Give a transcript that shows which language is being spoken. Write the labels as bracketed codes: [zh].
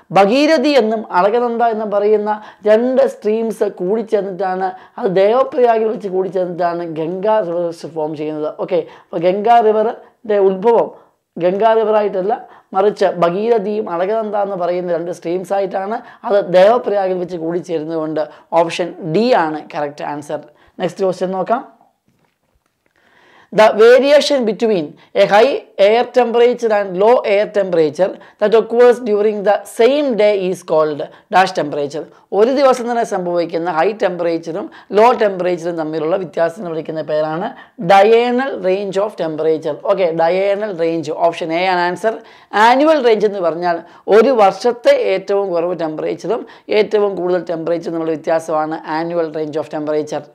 [ml] ഭഗീരഥി എന്നും അലക്നന്ദ എന്നും പറയുന്ന രണ്ട് സ്ട്രീംസ് കൂടിച്ചേർന്നിട്ടാണ്, അത് ദേവപ്രയാഗിൽ വെച്ച് കൂടിച്ചേർന്നിട്ടാണ് ഗംഗാ റിവേഴ്സ് ഫോം ചെയ്യുന്നത്. ഓക്കെ, അപ്പോൾ ഗംഗാ റിവറിൻ്റെ ഉത്ഭവം ഗംഗാ റിവറായിട്ടല്ല, മറിച്ച് ഭഗീരഥിയും അലക്നന്ദ എന്ന് പറയുന്ന രണ്ട് സ്ട്രീംസായിട്ടാണ് അത് ദേവപ്രയാഗിൽ വെച്ച് കൂടിച്ചേരുന്നതുകൊണ്ട് ഓപ്ഷൻ ഡി ആണ് കറക്റ്റ് ആൻസർ. നെക്സ്റ്റ് ക്വസ്റ്റ്യൻ നോക്കാം. [en] The variation between a high air temperature and low air temperature that occurs during the same day is called dash temperature. [ml] ഒരു ദിവസം തന്നെ സംഭവിക്കുന്ന ഹൈ ടെമ്പറേച്ചറും ലോ ടെമ്പറേച്ചറും തമ്മിലുള്ള വ്യത്യാസത്തിന് വിളിക്കുന്ന പേരാണ് diurnal range of temperature. Okay, diurnal range option A ആണ് answer. Annual range എന്ന് പറഞ്ഞാൽ ഒരു വർഷത്തെ ഏറ്റവും കുറവ് ടെമ്പറേച്ചറും ഏറ്റവും കൂടുതൽ ടെമ്പറേച്ചറും തമ്മിലുള്ള വ്യത്യാസമാണ് ആനുവൽ റേഞ്ച് ഓഫ് ടെമ്പറേച്ചർ.